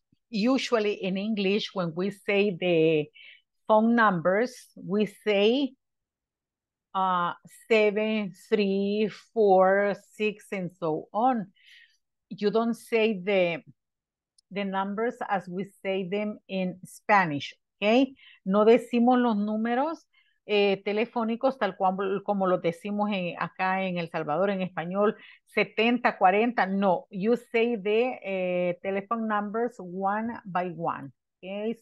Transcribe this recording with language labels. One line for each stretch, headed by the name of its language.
English: Usually in English, when we say the phone numbers, we say 7, 3, 4, 6, and so on. You don't say the numbers as we say them in Spanish, okay?
Spanish: No decimos los números telefónicos tal cual como lo decimos acá en El Salvador, en español, 70, 40, no.
English: You say the telephone numbers one by one, okay?